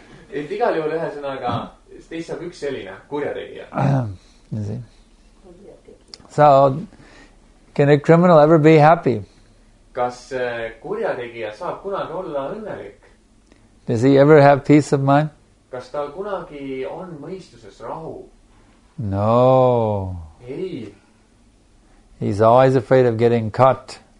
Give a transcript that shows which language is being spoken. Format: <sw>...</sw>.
<et>Et igal juhul ühe sõnaga, teis saab üks selline, kurjategija.</et> <en>So, can a criminal ever be happy?</en> <et>Kas kurjategija saab kunagi olla õnnelik?</et> <en>Does he ever have peace of mind?</en> <et>Kas tal kunagi on mõistuses rahu?</et> <en>No.</en> <et>Ei.</et> <en>He's always afraid of getting caught.</en>